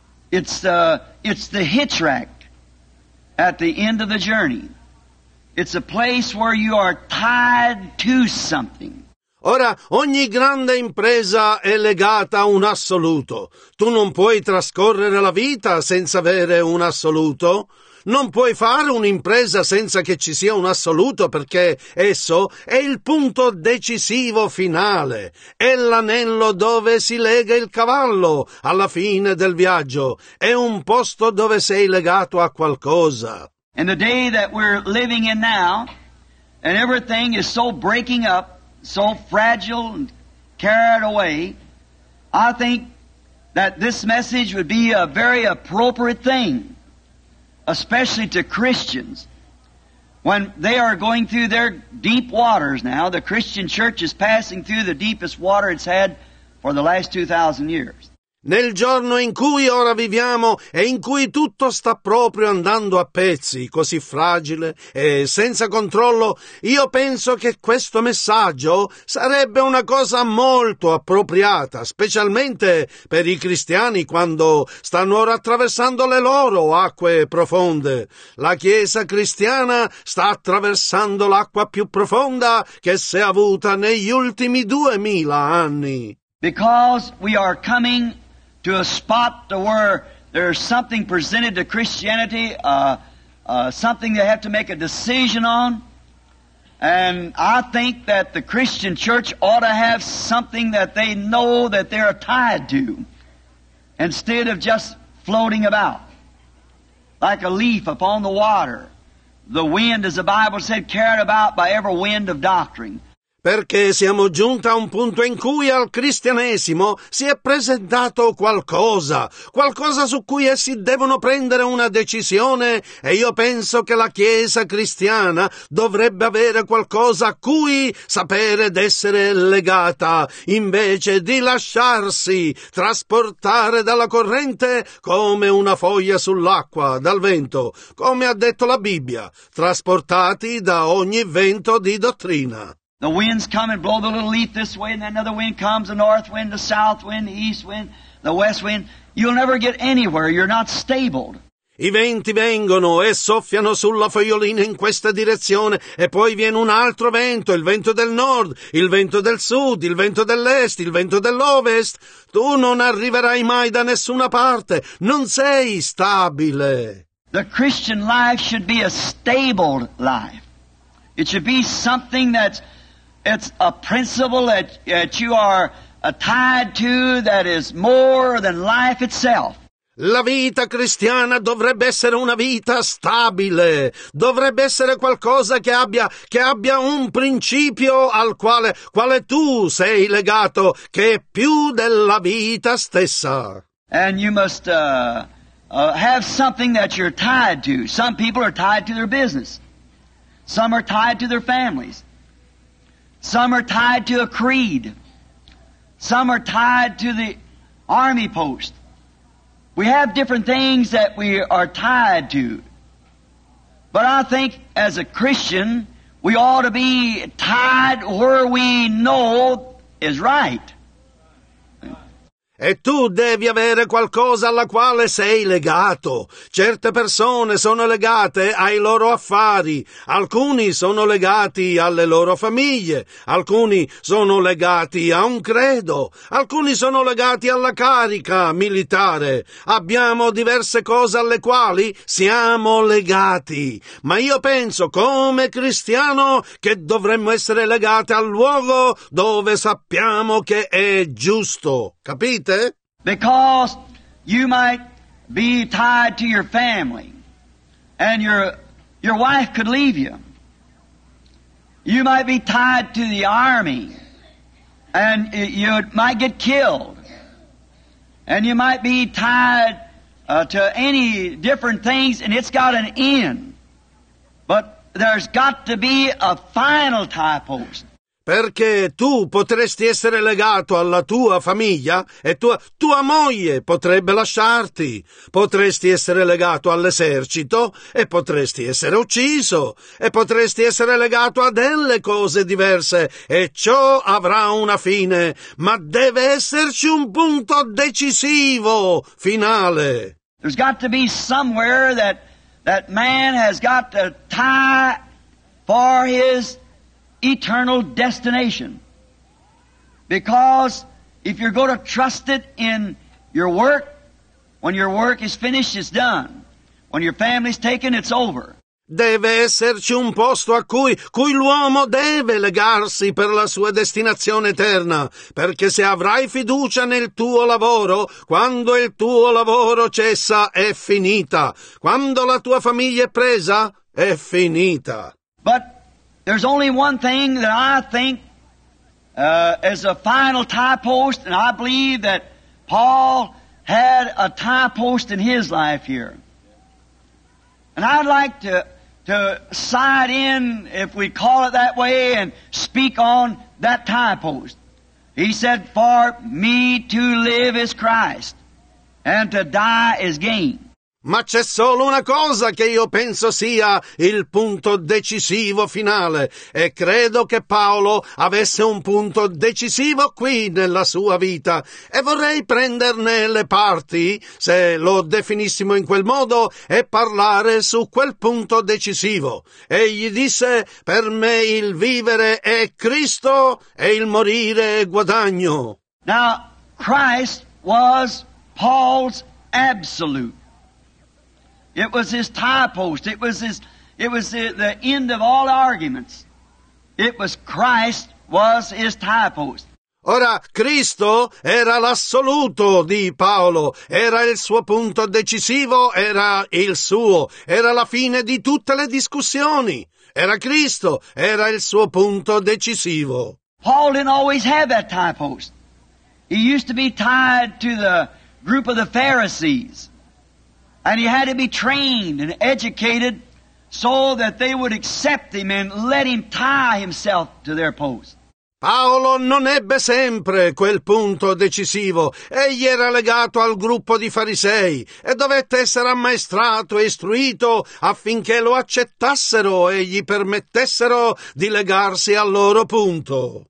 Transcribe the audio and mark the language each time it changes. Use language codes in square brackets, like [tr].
[en] It's the hitch rack at the end of the journey. It's a place where you are tied to something. [it] Ora, ogni grande impresa è legata a un assoluto. Tu non puoi trascorrere la vita senza avere un assoluto. Non puoi fare un'impresa senza che ci sia un assoluto, perché esso è il punto decisivo finale, è l'anello dove si lega il cavallo alla fine del viaggio, è un posto dove sei legato a qualcosa. [en] And the day that we're living in now, and everything is so breaking up, so fragile and carried away, I think that this message would be a very appropriate thing, especially to Christians, when they are going through their deep waters now. The Christian church is passing through the deepest water it's had for the last 2,000 years. [it] Nel giorno in cui ora viviamo e in cui tutto sta proprio andando a pezzi, così fragile e senza controllo, io penso che questo messaggio sarebbe una cosa molto appropriata, specialmente per i cristiani quando stanno ora attraversando le loro acque profonde. La Chiesa cristiana sta attraversando l'acqua più profonda che si è avuta negli ultimi 2,000 anni. [en] Because we are coming to a spot to where there's something presented to Christianity, something they have to make a decision on. And I think that the Christian church ought to have something that they know that they're tied to, instead of just floating about like a leaf upon the water. The wind, as the Bible said, carried about by every wind of doctrine. [it] Perché siamo giunti a un punto in cui al cristianesimo si è presentato qualcosa su cui essi devono prendere una decisione, e io penso che la Chiesa cristiana dovrebbe avere qualcosa a cui sapere d'essere legata, invece di lasciarsi trasportare dalla corrente come una foglia sull'acqua, dal vento, come ha detto la Bibbia, trasportati da ogni vento di dottrina. [en] The winds come and blow the little leaf this way, and then another wind comes, the north wind, the south wind, the east wind, the west wind. You'll never get anywhere. You're not stabled. [it] I venti vengono e soffiano sulla fogliolina in questa direzione, e poi viene un altro vento, il vento del nord, il vento del sud, il vento dell'est, il vento dell'ovest. Tu non arriverai mai da nessuna parte. Non sei stabile. [en] The Christian life should be a stable life. It should be something It's a principle that you are tied to that is more than life itself. [it] La vita cristiana dovrebbe essere una vita stabile. Dovrebbe essere qualcosa che abbia un principio al quale tu sei legato, che è più della vita stessa. [en] And you must have something that you're tied to. Some people are tied to their business. Some are tied to their families. Some are tied to a creed. Some are tied to the army post. We have different things that we are tied to. But I think as a Christian, we ought to be tied where we know is right. [it] E tu devi avere qualcosa alla quale sei legato. Certe persone sono legate ai loro affari, alcuni sono legati alle loro famiglie, alcuni sono legati a un credo, alcuni sono legati alla carica militare. Abbiamo diverse cose alle quali siamo legati. Ma io penso, come cristiano, che dovremmo essere legati al luogo dove sappiamo che è giusto. Capite? [en] Because you might be tied to your family, and your wife could leave you. You might be tied to the army, and you might get killed. And you might be tied to any different things, and it's got an end. But there's got to be a final tie post. [it] Perché tu potresti essere legato alla tua famiglia e tua moglie potrebbe lasciarti. Potresti essere legato all'esercito e potresti essere ucciso. E potresti essere legato a delle cose diverse e ciò avrà una fine. Ma deve esserci un punto decisivo, finale. [en] There's got to be somewhere that man has got to tie for his eternal destination. Because if you're going to trust it in your work, when your work is finished, it's done. When your family's taken, it's over. [it] Deve esserci un posto a cui l'uomo deve legarsi per la sua destinazione eterna, perché se avrai fiducia nel tuo lavoro, quando il tuo lavoro cessa, è finita. Quando la tua famiglia è presa, è finita. [en] But there's only one thing that I think is a final tie post, and I believe that Paul had a tie post in his life here. And I'd like to side in, if we call it that way, and speak on that tie post. He said, "For me to live is Christ, and to die is gain." [it] Ma c'è solo una cosa che io penso sia il punto decisivo finale, e credo che Paolo avesse un punto decisivo qui nella sua vita, e vorrei prenderne le parti, se lo definissimo in quel modo, e parlare su quel punto decisivo. Egli disse: "Per me il vivere è Cristo e il morire è guadagno." [en] Now, Christ was Paul's absolute. It was his tie post. It was the end of all arguments. It was Christ was his tie post. [it] Ora, Cristo era l'assoluto di Paolo. Era il suo punto decisivo, era il suo. Era la fine di tutte le discussioni. Era Cristo, era il suo punto decisivo. [en] Paul didn't always have that tie post. He used to be tied to the group of the Pharisees. And he had to be trained and educated so that they would accept him and let him tie himself to their post. [it] Paolo non ebbe sempre quel punto decisivo. Egli era legato al gruppo di farisei e dovette essere ammaestrato e istruito affinché lo accettassero e gli permettessero di legarsi al loro punto.